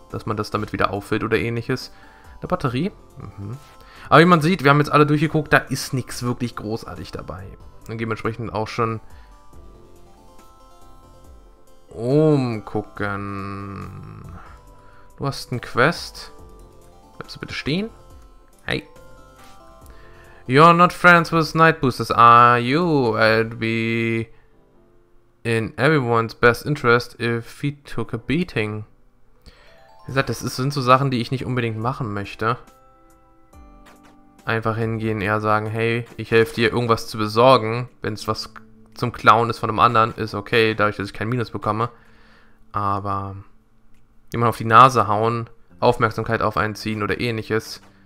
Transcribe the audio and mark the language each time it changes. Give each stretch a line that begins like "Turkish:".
German: Dass man das damit wieder auffüllt oder ähnliches. Eine Batterie? Aber wie man sieht, wir haben jetzt alle durchgeguckt, da ist nichts wirklich großartig dabei. Dann dementsprechend auch schon... umgucken... Du hast einen Quest. Bleibst du bitte stehen? Hey.
English: You're not friends with Night Boosters, are you? I'd be in everyone's best interest if he took a beating.
German: Wie gesagt, das sind so Sachen, die ich nicht unbedingt machen möchte. Einfach hingehen, eher sagen, hey, ich helfe dir, irgendwas zu besorgen. Wenn es was zum Klauen ist von einem anderen, ist okay, dadurch, dass ich kein Minus bekomme. Aber... jemand auf die Nase hauen, Aufmerksamkeit auf einen ziehen oder ähnliches.